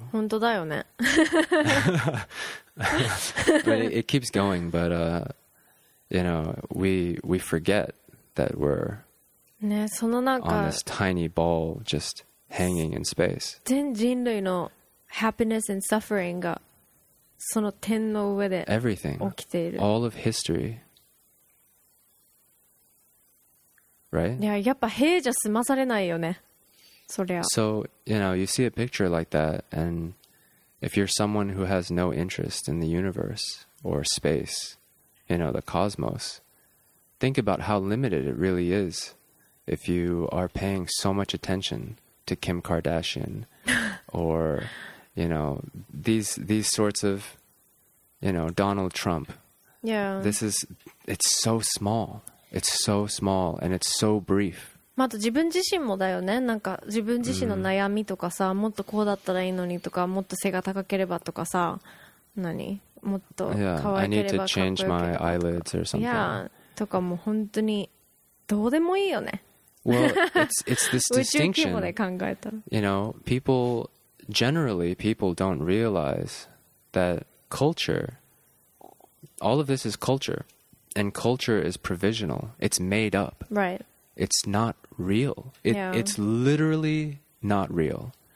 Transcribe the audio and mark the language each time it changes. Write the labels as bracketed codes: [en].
[ja] 本当だよね。 [en] But it keeps going, but you know, we forget that we're [ja] ね、そのなんか [en] on this tiny ball just hanging in space. [ja] 全人類の [en] happiness and suffering [ja] がその天の上で起きている。 [en] All of history. Right? [ja] いや、やっぱ平じゃ済まされないよね。そりゃ。 [en] So, you know, you see a picture like that, and if you're someone who has no interest in the universe or space, you know, the cosmos, think about how limited it really is if you are paying so much attention to Kim Kardashian or... You know, these sorts of, you know, Donald Trump. Yeah. This is, it's so small. It's so small and it's so brief. [ja] あと自分自身もだよね。なんか自分自身の悩みとかさ、もっとこうだったらいいのにとか、もっと背が高ければとかさ、何？もっと可愛ければ、かっこよければ。 [en] I need to change my eyelids or something. Yeah. [ja] とかも本当にどうでもいいよね。 [en] Well, it's this distinction. [ja] 宇宙規模で考えたら。 [en] You know, people. Generally, people don't realize that culture, all of this is culture, and culture is provisional. It's made up. Right. It's not real. It's literally not real.